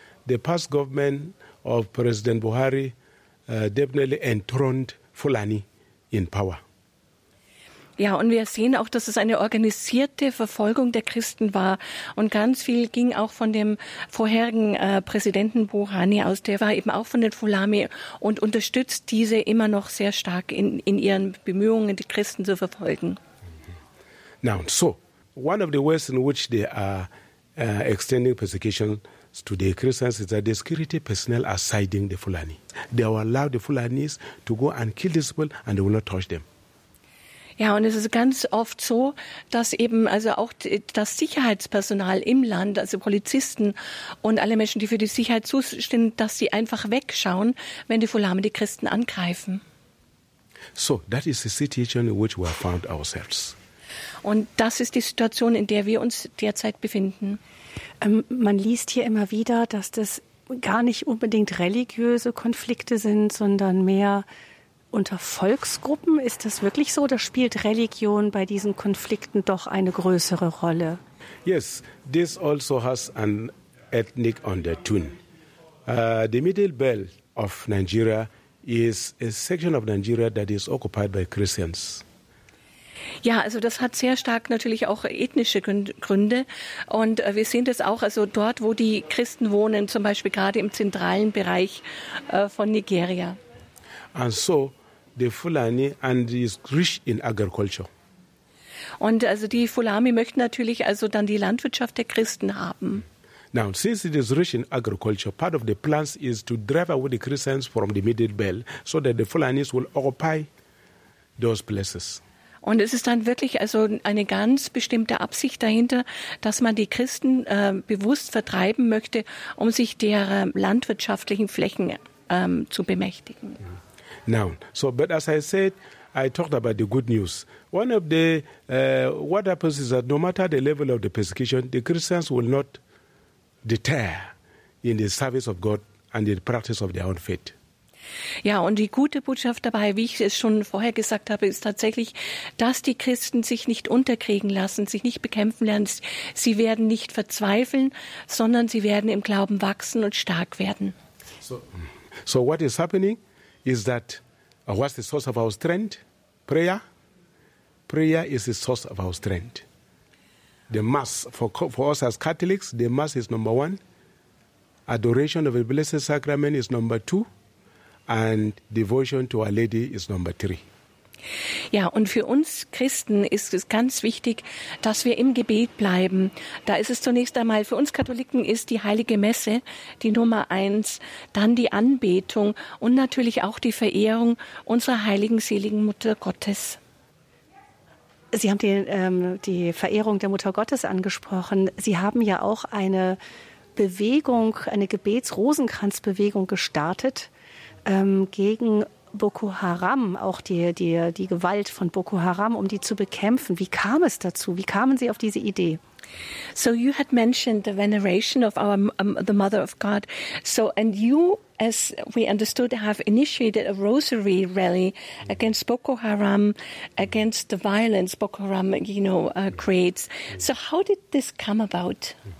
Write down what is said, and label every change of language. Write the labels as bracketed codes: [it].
[en] The past government of President Buhari definitely enthroned Fulani in power. [de] Ja, und wir sehen auch, dass es eine organisierte Verfolgung der Christen war. Und ganz viel ging auch von dem vorherigen Präsidenten Buhari aus. Der war eben auch von den Fulani und unterstützt diese immer noch sehr stark in ihren Bemühungen, die Christen zu verfolgen. [en] Now, so, one of the ways in which they are extending persecution to the Christians is that the security personnel are siding the Fulani. They will allow the Fulanis to go and kill these people and they will not touch them. [de] Ja, und es ist ganz oft so, dass eben also auch das Sicherheitspersonal im Land, also Polizisten und alle Menschen, die für die Sicherheit zuständig sind, dass sie einfach wegschauen, wenn die Fulani die Christen angreifen. [en] So that is the situation in which we have found ourselves. [de] Und das ist die Situation, in der wir uns derzeit befinden. Man liest hier immer wieder, dass das gar nicht unbedingt religiöse Konflikte sind, sondern mehr unter Volksgruppen. Ist das wirklich so? Oder spielt Religion bei diesen Konflikten doch eine größere Rolle? [en] Yes, this also has an ethnic undertone. The middle belt of Nigeria is a section of Nigeria that is occupied by Christians. [de] Ja, also das hat sehr stark natürlich auch ethnische Gründe. Und wir sehen das auch, also dort, wo die Christen wohnen, zum Beispiel gerade im zentralen Bereich von Nigeria. [en] And so, the Fulani and is rich in agriculture. [de] Und also die Fulani möchten natürlich also dann die Landwirtschaft der Christen haben. [en] Now, since it is rich in agriculture, part of the plans is to drive away the Christians from the middle belt, so that the Fulanis will occupy those places. [de] Und es ist dann wirklich also eine ganz bestimmte Absicht dahinter, dass man die Christen bewusst vertreiben möchte, um sich der landwirtschaftlichen Flächen zu bemächtigen. [en] Now, so, but as I said, I talked about the good news. One of the, what happens is that no matter the level of the persecution, the Christians will not deter in the service of God and in the practice of their own faith. [de] Ja, und die gute Botschaft dabei, wie ich es schon vorher gesagt habe, ist tatsächlich, dass die Christen sich nicht unterkriegen lassen, sich nicht bekämpfen lernen. Sie werden nicht verzweifeln, sondern sie werden im Glauben wachsen und stark werden. [en] So what is happening is that, what's the source of our strength? Prayer? Prayer is the source of our strength. The Mass, for us as Catholics, the Mass is number one. Adoration of the Blessed Sacrament is number two. And devotion to Our Lady is number three. [de] Ja, und für uns Christen ist es ganz wichtig, dass wir im Gebet bleiben. Da ist es zunächst einmal, für uns Katholiken ist die Heilige Messe die Nummer eins, dann die Anbetung und natürlich auch die Verehrung unserer heiligen, seligen Mutter Gottes. Sie haben die Verehrung der Mutter Gottes angesprochen. Sie haben ja auch eine Bewegung, eine Gebets-Rosenkranz-Bewegung gestartet, gegen Boko Haram, auch die Gewalt von Boko Haram, um die zu bekämpfen. Wie kam es dazu? Wie kamen Sie auf diese Idee? [en] So you had mentioned the veneration of our the Mother of God. So and you, as we understood, have initiated a rosary rally against Boko Haram, against the violence Boko Haram, you know, creates. So how did this come about?